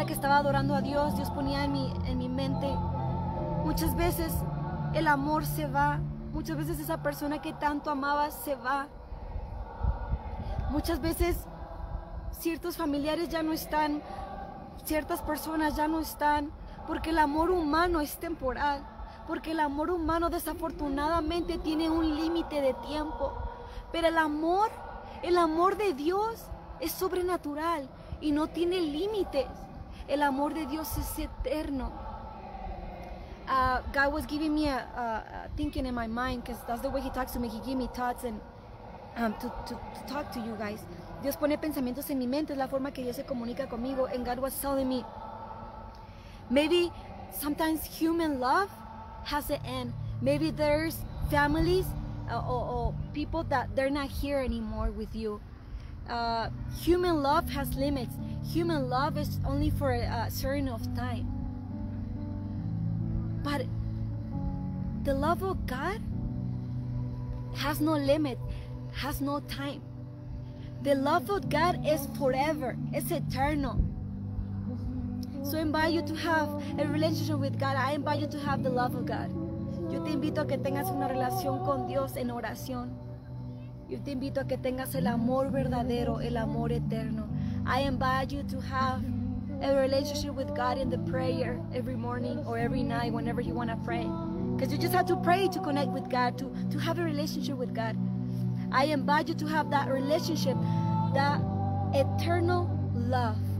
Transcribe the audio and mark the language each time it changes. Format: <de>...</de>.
<es>Adorando a Dios, Dios ponía en mi mente, muchas veces el amor se va, muchas veces esa persona que tanto amabas se va, muchas veces ciertos familiares ya no están, ciertas personas ya no están, porque el amor humano es temporal, porque el amor humano desafortunadamente tiene un límite de tiempo, pero el amor de Dios es sobrenatural y no tiene límites. El amor de Dios es eterno.</es> <en>God was giving me a thinking in my mind, because that's the way he talks to me. He gave me thoughts and to talk to you guys.</en> <es>Dios pone pensamientos en mi mente, es la forma que Dios se comunica conmigo.</es> <en>And God was telling me, maybe sometimes human love has an end. Maybe there's families or people that they're not here anymore with you. Human love has limits. Human love is only for a certain of time. But the love of God has no limit, has no time. The love of God is forever, it's eternal. So I invite you to have a relationship with God. I invite you to have the love of God.</en> <es>Yo te invito a que tengas una relación con Dios en oración. Yo te invito a que tengas el amor verdadero, el amor eterno.</es> <en>I invite you to have a relationship with God in the prayer every morning or every night, whenever you want to pray. Because you just have to pray to connect with God, to have a relationship with God. I invite you to have that relationship, that eternal love.</en>